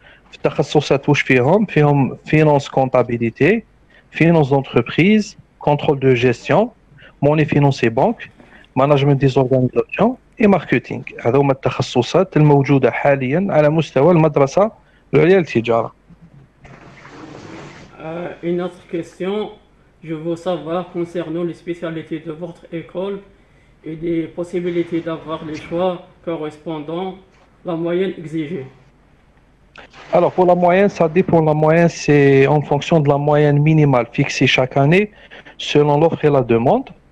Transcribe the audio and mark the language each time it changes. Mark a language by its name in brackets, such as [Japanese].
[Arabic] في التخصصات واش فيهم [French] فينونس كونطابيليتي فينونس دونتربريز contrôle de gestion, monnaie financière banque, management des organisations et marketing. [Arabic] هذو هما التخصصات الموجودة حاليا على مستوى المدرسة العليا للتجارة. [French] Une autre question, je veux savoir concernant les spécialités de votre école et les possibilités d'avoir les choix correspondant à la moyenne exigée. Alors, pour la moyenne, ça dépend. La moyenne, c'est en fonction de la moyenne minimale fixée chaque année selon l'offre et la demande.